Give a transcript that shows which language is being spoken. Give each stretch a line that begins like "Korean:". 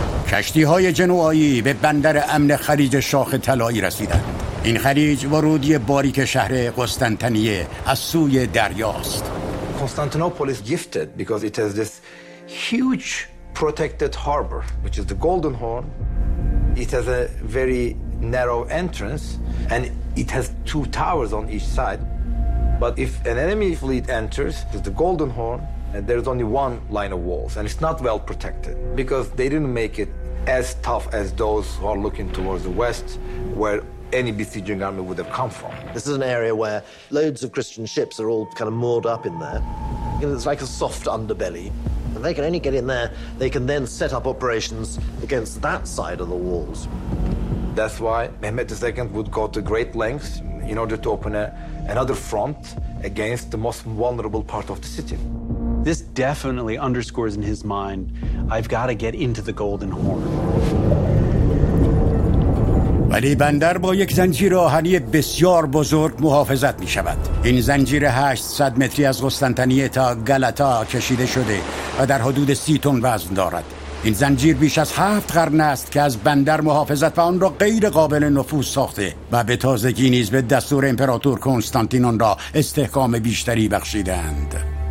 Persian: کشتی های جنوایی به بندر امن خلیج شاخ طلایی رسیدند. این خلیج ورودی باریک شهر قسطنطنیه از سوی دریاست.
English: قسطنطنیه is gifted because it has this huge protected harbor which is the Golden Horn. It has a very narrow entrance and it has two towers on each side. But if an enemy fleet enters the Golden Horn, there is only one line of walls and it's not well protected because they didn't make it as tough as those who are looking towards the west where any besieging army would have come from. This is an area where loads of Christian ships are all kind of moored up in there. You know, it's like a soft underbelly. And they can only get in there, they can then set up operations against that side of the walls. That's why Mehmed II would go to great lengths in order to open another front against the most vulnerable part of the city. This definitely underscores in his mind, I've got to get into the Golden Horn.
Persian: ولی بندر با یک زنجیر آهنی بسیار بزرگ محافظت می شود. این زنجیر 800 متری از قسطنطنیه تا گلاتا کشیده شده و در حدود 30 تن وزن دارد. این زنجیر بیش از 7 قرن است که از بندر محافظت و آن را غیر قابل نفوذ ساخته و به تازگی نیز به دستور امپراتور کنستانتین آن را استحکام بیشتری بخشیدند.